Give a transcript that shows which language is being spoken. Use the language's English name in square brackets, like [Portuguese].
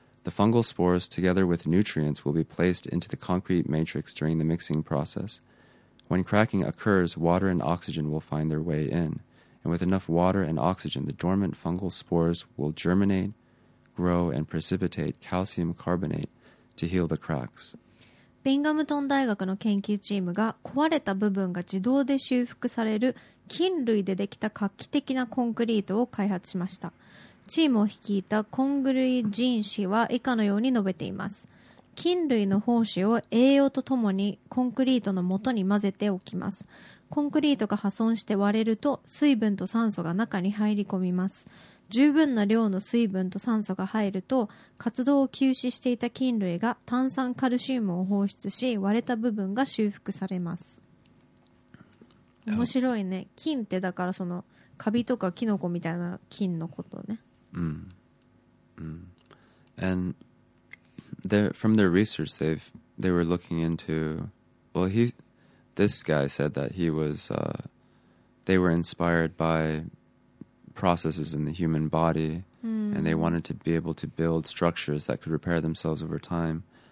[English] The fungal spores together with nutrients will be placed into the concrete matrix during the mixing process. When cracking occurs, water and oxygen will find their way in. And with enough water and oxygen, the dormant fungal spores will germinate, grow, and precipitate calcium carbonate to heal the cracks. [Japanese] ビンガムトン大学の研究チームが壊れた部分が自動で修復される菌類でできた画期的なコンクリートを開発しました。チームを率いたコングリ・ジン氏は以下のように述べています。菌類の胞子を栄養とともにコンクリートの元に混ぜておきます。コンクリートが破損して割れると水分と酸素が中に入り込みます。十分な量の水分と酸素が入ると活動を休止していた菌類が炭酸カルシウムを放出し割れた部分が修復されます。面白いね。菌ってだからそのカビとかキノコみたいな菌のことね。 [English] And from their research, they were looking into, well, this guy said that he was, they were inspired by processes in the human body, and they wanted to be able to build structures that could repair themselves over time.